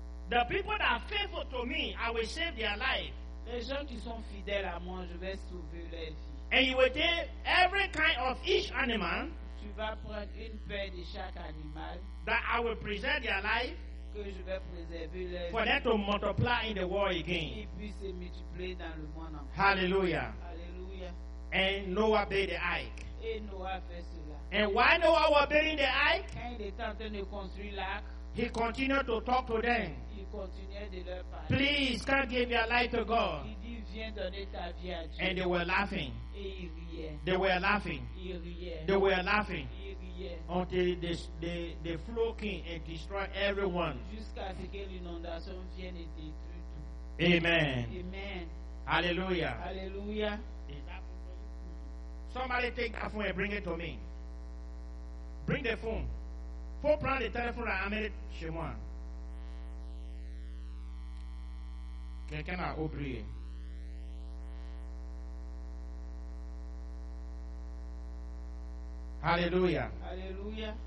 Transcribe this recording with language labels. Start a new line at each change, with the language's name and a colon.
English: The people that are faithful to me, I will save their life.
French: Les gens qui sont fidèles à moi, je vais sauver leur vie.
English: And you will take every kind of each animal.
French: Tu vas prendre une paire de chaque animal
English: that I will preserve their life,
French: que je vais préserver leur
English: for them to multiply in the world again.
French: Se multiplier dans le monde en
English: Hallelujah. Hallelujah. And Noah obeyed the ark.
French: Et Noah fait cela.
English: And why Noah was obeying the ark?
French: Quand il était en train de construire l'arc,
English: he continued to talk to them.
French: Il continuait de leur parler.
English: Please, come give your life to God.
French: Il dit, viens donner ta vie à Dieu.
English: And they were laughing.
French: Et il riait.
English: They were laughing.
French: Il riait.
English: They were laughing.
French: Il riait.
English: Until the flood came and destroyed everyone.
French: Jusqu'à ce que l'inondation vienne et détruit tout.
English: Amen. Amen. Hallelujah. Hallelujah. Somebody take a phone and bring it to me. Bring the phone.
French: Faut prendre le téléphone et amener le chez moi. Quelqu'un a oublié.
English: Hallelujah. Hallelujah.